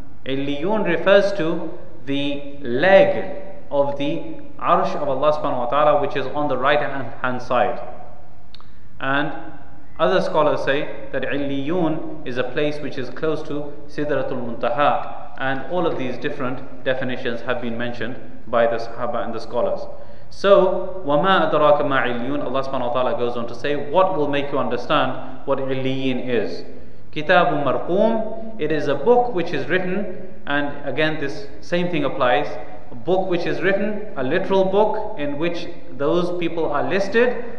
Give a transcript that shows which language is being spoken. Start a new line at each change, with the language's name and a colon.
English: Iliyun refers to the leg of the arsh of Allah subhanahu wa ta'ala, which is on the right hand side. And other scholars say that Iliyun is a place which is close to Sidratul Muntaha, and all of these different definitions have been mentioned by the Sahaba and the scholars.
Arabic: So, وَمَا أَدْرَاكَ مَا عِلِيُّونَ.
English: Allah subhanahu wa ta'ala goes on to say, what will make you understand what Iliyin is?
Arabic: كِتَابٌ مَرْقُومٌ.
English: It is a book which is written, and again this same thing applies, a book which is written, a literal book in which those people are listed.